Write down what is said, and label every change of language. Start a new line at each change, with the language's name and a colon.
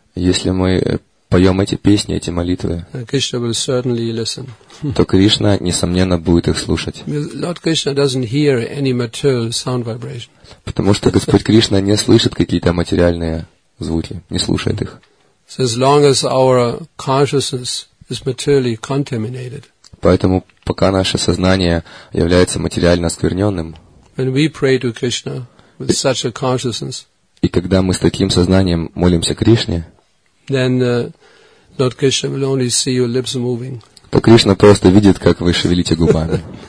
Russian: если мы поем эти песни, эти молитвы,
English: Krishna will certainly listen.
Russian: То Кришна, несомненно, будет их слушать.
English: Lord Krishna doesn't hear any material sound vibration.
Russian: Потому что Господь Кришна не слышит какие-то материальные звуки, не слушает их.
English: So as long as our consciousness is materially contaminated,
Russian: поэтому пока наше сознание является материально оскверненным, и когда мы с таким сознанием молимся Кришне, то Кришна просто видит, как вы шевелите губами.